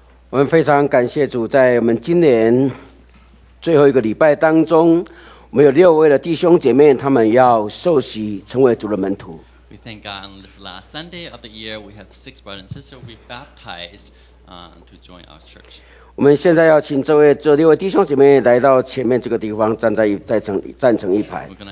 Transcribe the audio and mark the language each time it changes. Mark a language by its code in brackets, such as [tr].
[zh] 我们非常感谢主，在我们今年最后一个礼拜当中，我们有六位的弟兄姐妹，他们要受洗成为主的门徒。 [en] We thank God on this last Sunday of the year, we have six brothers and sisters be baptized, to join our church. [zh] 我们现在要请这位这六位弟兄姐妹来到前面这个地方，站在站成一排。